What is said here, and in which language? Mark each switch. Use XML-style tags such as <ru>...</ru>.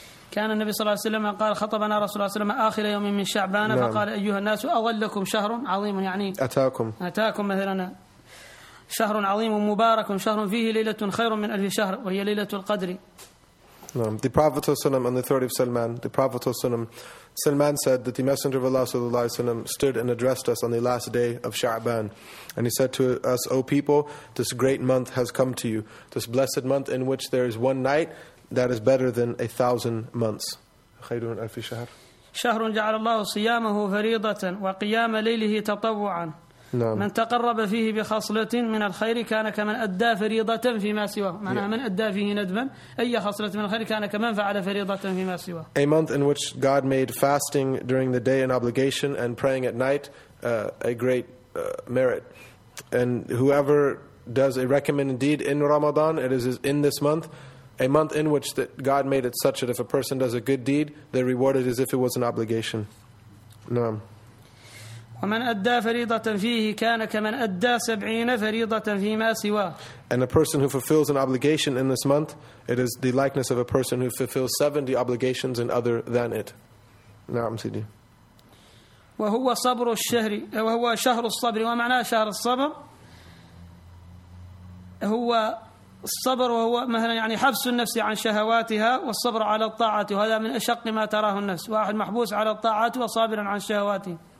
<ar>كان النبي صلى الله عليه وسلم قال خطبنا رسول الله صلى الله عليه وسلم آخر يوم من شعبان فقال أيها الناس أضل لكم شهر عظيم يعني أتاكم مثلا شهر عظيم مبارك شهر فيه ليلة خير من ألف شهر وهي ليلة القدر. نعم.</ar> <en>The Prophet ﷺ, on the authority of Salman, the Prophet ﷺ, Salman said that the Messenger of Allah ﷺ stood and addressed us on the last day of Sha'ban. And he said to us, O people, this great month has come to you, this blessed month in which there is one night that is better than 1,000 months.</en> <ar>خير من ألف شهر. شهر جعل الله صيامه فريضة وقيام ليله تطوعا. نعم. من تقرب فيه بخصلة من الخير كان كمن أدى فريضة فيما سواه معناها من أدى فيه ندما أي خصلة من الخير كان كمن فعل فريضة فيما سواه.</ar> <en>A month in which God made fasting during the day an obligation and praying at night a great merit. And whoever does a recommended deed in Ramadan, it is in this month, a month in which that God made it such that if a person does a good deed, they're rewarded as if it was an obligation.</en> <ar>نعم. ومن أدى فريضة فيه كان كمن أدى 70 فريضة فيما سواه.</ar> <en>And a person who fulfills an obligation in this month, it is the likeness of a person who fulfills 70 obligations in other than it.</en> <ar>نعم سيدي. وهو صبر الشهر وهو شهر الصبر ومعنى شهر الصبر هو الصبر وهو مثلا يعني حبس النفس عن شهواتها والصبر على الطاعة وهذا من أشق ما تراه النفس واحد محبوس على الطاعة وصابرا عن شهواته.</ar>